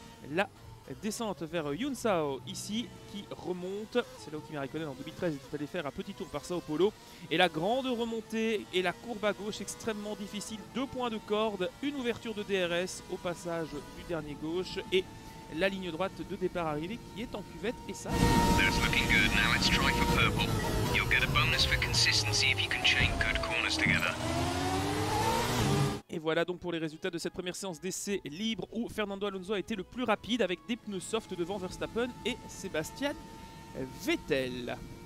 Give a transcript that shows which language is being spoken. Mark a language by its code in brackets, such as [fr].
[fr] La descente vers Yunsao ici, qui remonte. C'est là où Kimi Räikkönen en 2013 est allé faire un petit tour par Sao Paulo. Et la grande remontée et la courbe à gauche extrêmement difficile. Deux points de corde, une ouverture de DRS au passage du dernier gauche et la ligne droite de départ arrivée qui est en cuvette. Et ça, [en] that's looking good. Now let's try for purple. You'll get a bonus for consistency if you can chain good corners together. [fr] Et voilà donc pour les résultats de cette première séance d'essai libre où Fernando Alonso a été le plus rapide avec des pneus soft devant Verstappen et Sébastien Vettel.